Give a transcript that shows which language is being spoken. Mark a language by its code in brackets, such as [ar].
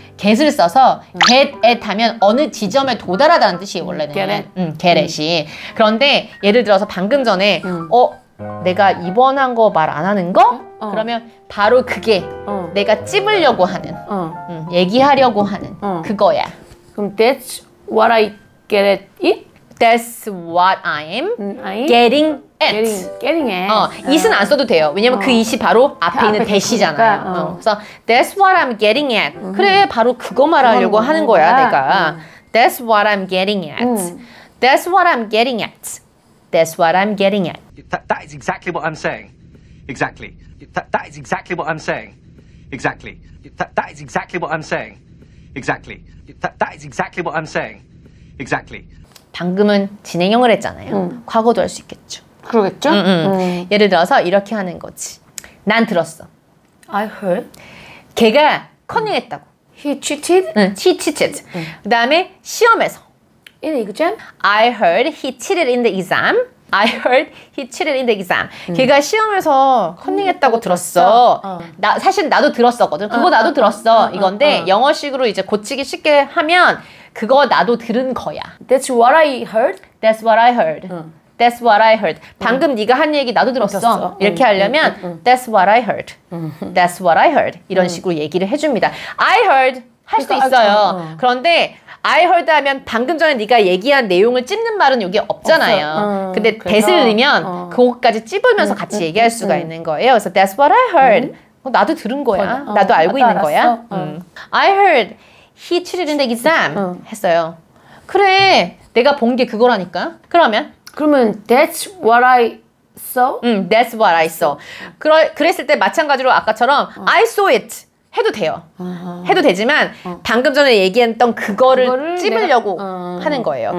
[ko] get을 써서 get at 하면 어느 지점에 도달하다는 뜻이에요. 원래는 [en] get at. get at이. [ko] 그런데 예를 들어서 방금 전에 내가 입원한 거 말 안 하는 거? 그러면 바로 그게 내가 찝으려고 하는 얘기하려고 하는 그거야 그럼 [en] that's what I get at it? That's what I'm getting at getting at [ko] it은 안 써도 돼요 왜냐면 그 it이 바로 앞에 있는 that이잖아요 그래서 [en] that's what I'm getting at [ko] 그래 바로 그거 말하려고 하는 거야 내가 [en] that's what I'm getting at that's what I'm getting at that's what I'm getting at that is exactly what I'm saying exactly That is exactly what I'm saying. Exactly. That is exactly what I'm saying. Exactly. That is exactly what I'm saying. Exactly. [ko] 방금은 진행형을 했잖아요. 과거도 할 수 있겠죠. 그러겠죠? 예를 들어서 이렇게 하는 거지. 난 들었어. I heard. 걔가 커닝했다고. [en] He cheated? [ko] 응, [en] he cheated. [ko] 그 다음에 시험에서. [en] In exam? I heard he cheated in the exam. I heard he cheated in the exam. [ko] 걔가 시험에서 커닝했다고 들었어. 나 사실 나도 들었었거든. 그거 나도 들었어. 이건데 영어식으로 이제 고치기 쉽게 하면 그거 나도 들은 거야. [en] That's what I heard. That's what I heard. That's what I heard. [ko] 방금 네가 한 얘기 나도 들었어. 이렇게 하려면 [en] That's what I heard. That's what I heard. [ko] 이런 식으로 얘기를 해줍니다. [en] I heard [ko] 할 수도 있어요. 그런데 [en] I heard [ko] 하면 방금 전에 네가 얘기한 내용을 찝는 말은 여기 없잖아요. 근데 that을 넣으면 그것까지 찝으면서 같이 얘기할 수가 있는 거예요. 그래서 [en] That's what I heard. [ko] 나도 들은 거야. 나도 알고 있는 거야. [en] I heard he cheated in the exam. [ko] 했어요. 그래, 내가 본 게 그거라니까. 그러면? 그러면 [en] that's what I saw? [ko] 응, [en] that's what I saw. [ko] 그랬을 때 마찬가지로 아까처럼 [en] I saw it [ko] 해도 돼요. 해도 되지만 방금 전에 얘기했던 그거를 찝으려고 하는 거예요.